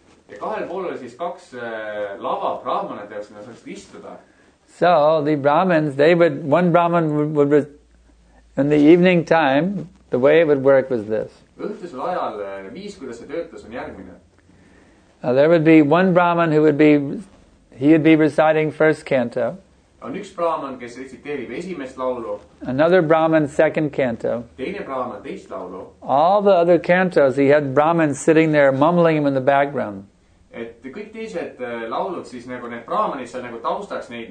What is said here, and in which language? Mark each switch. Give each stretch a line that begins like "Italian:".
English: So the Brahmins, they would, one Brahmin would, in the evening time, the way it would work was this. There would be one Brahman who would be, he would be reciting first canto.
Estonian: On üks Brahman, kes reciteerib esimest laulu.
English: Another Brahman, second canto.
Estonian: Teine Brahman, teist laulu.
English: All the other cantos, he had Brahmans sitting there mumbling him in the background.
Estonian: Et kõik teised laulud, siis nagu need Brahmanid seal nagu taustaks neid.